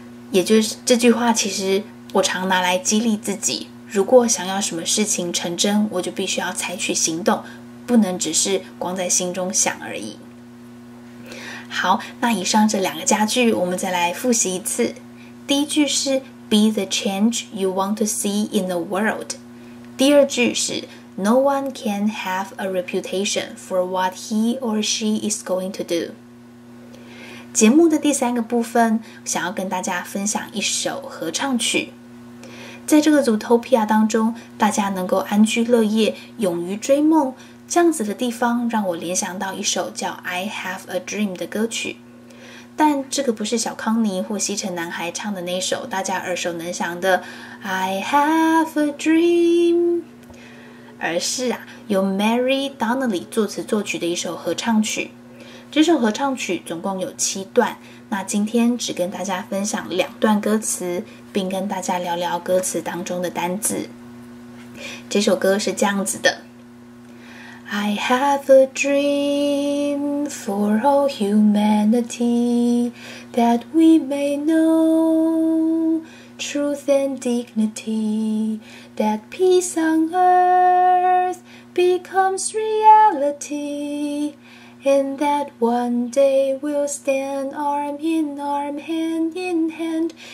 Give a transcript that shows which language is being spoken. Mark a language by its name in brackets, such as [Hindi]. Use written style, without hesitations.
[Chinese] 也就是这句话，其实我常拿来激励自己，如果想要什么事情成真，我就必须要采取行动，不能只是光在心中想而已。好，那以上这两个佳句我们再来复习一次。 [English] 第一句是 Be the change you want to see in the world. 第二句是 No one can have a reputation for what he or she is going to do. [Chinese] 节目的第三个部分，想要跟大家分享一首合唱曲。在这个Zootopia当中，大家能够安居乐业，勇于追梦，这样子的地方让我联想到一首叫 I Have a Dream 的歌曲。但这个不是小康尼或西城男孩唱的那首大家耳熟能详的 I Have a Dream， 而是啊由 Mary Donnelly 作词作曲的一首合唱曲。这首合唱曲总共有七段，那今天只跟大家分享两段歌词，并跟大家聊聊歌词当中的单字。 [English] 这首歌是这样子的 I have a dream for all humanity That we may know truth and dignity That peace on earth becomes realityAnd that one day we'll stand arm in arm, hand in hand.